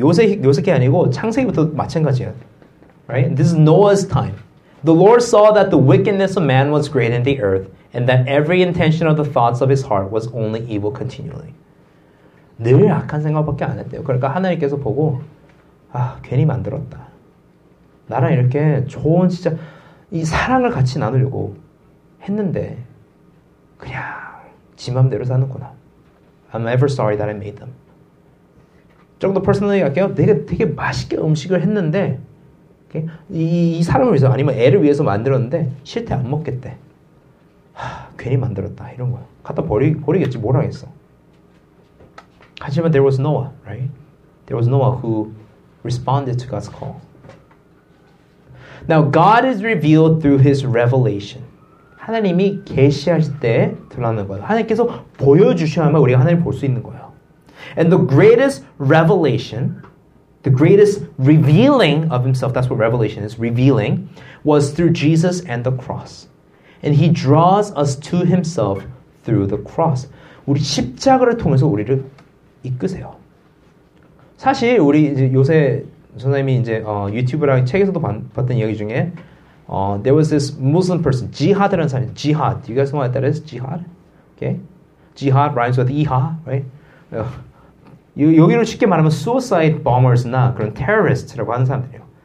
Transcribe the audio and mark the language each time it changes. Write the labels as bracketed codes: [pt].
[ko] 요새 게 아니고 창세기부터 마찬가지야. [en] Right? This is Noah's time. The Lord saw that the wickedness of man was great in the earth, and that every intention of the thoughts of his heart was only evil continually. [ko] 늘 악한 생각밖에 안 했대요. 그러니까 하나님께서 보고 아, 괜히 만들었다. 나랑 이렇게 좋은 진짜 이 사랑을 같이 나누려고 했는데 그냥 지 맘대로 사는구나. [en] I'm ever sorry that I made them. [ko] 좀 더 personally 할게요. 내가 되게 맛있게 음식을 했는데 이 사람을 위해서 아니면 애를 위해서 만들었는데 싫대 안 먹겠대. 하, 괜히 만들었다 이런 거야. 갖다 버리겠지 뭐라 했어. 하지만 [en] there was Noah, right? There was Noah who responded to God's call. Now God is revealed through his revelation. [ko] 하나님이 계시하실 때 드러나는 거예요. 하나님께서 보여주셔야만 우리가 하나님을 볼 수 있는 거예요. [en] And the greatest revelation, the greatest revealing of himself, that's what revelation is, revealing, was through Jesus and the cross. And he draws us to himself through the cross. [ko] 우리 십자가를 통해서 우리를 이끄세요. 사실 우리 이제 요새 선생님이 이제 유튜브랑 책에서도 봤던 이야기 중에 [en] there was this Muslim person, jihad라는 사람, jihad. Do you guys know what that is? Jihad? Okay? Jihad rhymes with iha, right? [ko] 여기로 쉽게 말하면 suicide bombers나 그런 terrorists라고 하는 사람들이에요.